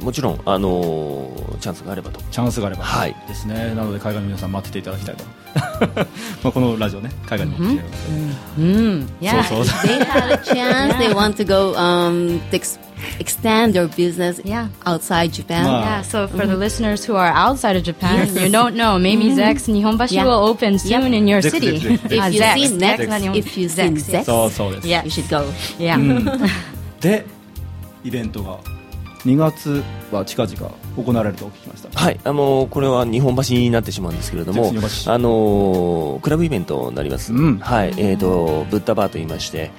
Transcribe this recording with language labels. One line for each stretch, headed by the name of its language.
Japanese: もちろん、チャンスがあればと。チャンスがあれば、はい、ですね。なので海外の皆さん待ってていただきたいと。まあ、このラジオね、海外にも来ているので、
English: yeah, they have a chance. They want to go extend their business outside Japan. Yeah, so for the listeners who are outside of Japan, you don't know, maybe Zex Nihonbashi will open soon in your city. If you see Zex,
Japanese: そうです。
English: You should go. Yeah.
Japanese: で、イベントが2月は近々行われると聞きました。はい、これは日本橋になってしまうんですけれども、クラブイベントになります。うん、はい、ブッダバーと言いまして、